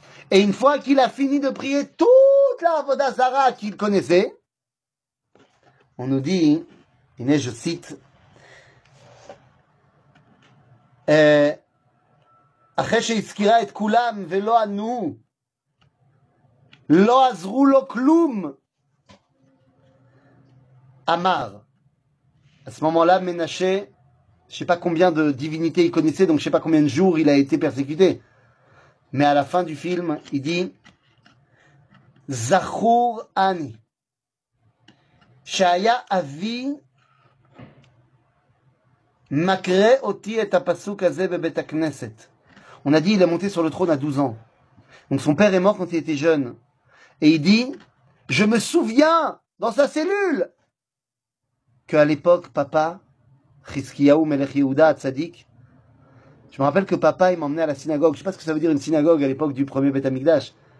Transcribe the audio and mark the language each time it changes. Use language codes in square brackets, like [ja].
[fr] Et une fois qu'il a fini de prier toute la Avodah Zara qu'il connaissait, on nous dit, et je cite, [he] אחרי שהזכירה את כולם ולא ענו, לא עזרו לו כלום, אמר. [fr] À ce moment-là, Ménaché, je sais pas combien de divinités il connaissait, donc je sais pas combien de jours il a été persécuté. Mais à la fin du film, il dit, [he] זכור אני, שהיה אבי מקרה אותי את הפסוק הזה בבית הכנסת. [fr] On a dit, il a monté sur le trône à 12 ans. Donc son père est mort quand il était jeune. Et il dit, je me souviens dans sa cellule qu'à l'époque, papa, Chizkiyahu Melech Yehuda, Tzadik, je me rappelle que papa, il m'emmenait à la synagogue. Je ne sais pas ce que ça veut dire une synagogue à l'époque du premier Beth Amikdash.